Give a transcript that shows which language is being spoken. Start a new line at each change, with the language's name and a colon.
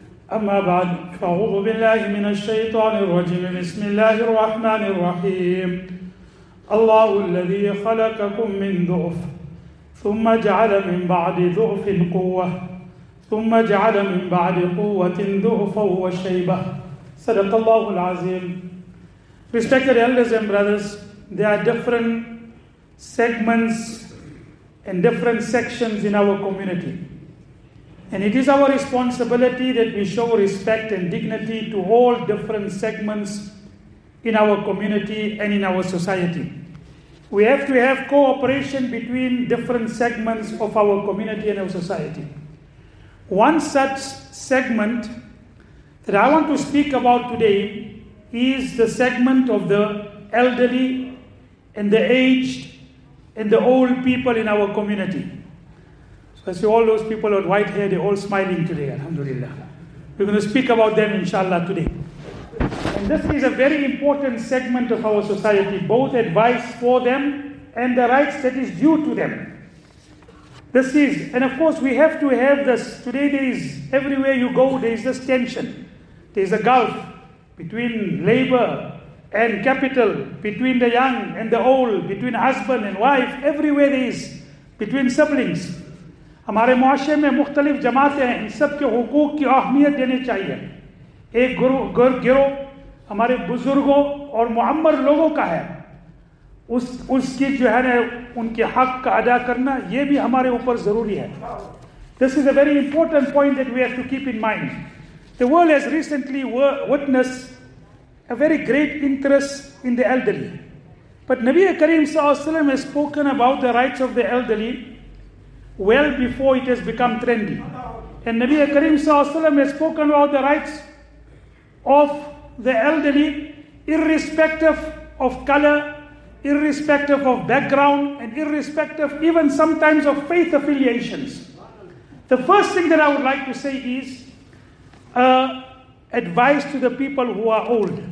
Arabic: أما بعد فأعوذ بالله من الشيطان الرجيم بسم الله الرحمن الرحيم الله الذي خلقكم من ضعف ثم جعل من بعد ضعف قوة ثم جعل من بعد قوة ضعفا وشيبة صدق الله العظيم
English: Respected elders and brothers, there are different segments and different sections in our community. And it is our responsibility that we show respect and dignity to all different segments in our community and in our society. We have to have cooperation between different segments of our community and our society. One such segment that I want to speak about today is the segment of the elderly and the aged and the old people in our community. I see all those people with white hair, they're all smiling today, alhamdulillah. We're going to speak about them, inshallah, today. And this is a very important segment of our society, both advice for them and the rights that is due to them. This is, and of course we have to have this. Today there is, everywhere you go, there is this tension. There is a gulf between labor and capital, between the young and the old, between husband and wife, everywhere there is, between siblings.
Urdu: ہمارے معاشرے میں مختلف جماعتیں ہیں ان سب کے حقوق کی اہمیت دینی چاہیے ایک گروہ ہمارے بزرگوں اور معمر لوگوں کا ہے اس کی جو ہے نا ان کے حق کا ادا کرنا یہ بھی ہمارے اوپر ضروری ہے
English: This is a very important point that we have to keep in mind the world has recently witness a very great interest in the elderly but نبی کریم صلی اللہ علیہ وسلم has spoken about the rights of the elderly well before it has become trendy. And Nabi Karim Sallallahu Alaihi Wasallam has spoken about the rights of the elderly irrespective of color, irrespective of background, and irrespective even sometimes of faith affiliations. The first thing that I would like to say is advice to the people who are old.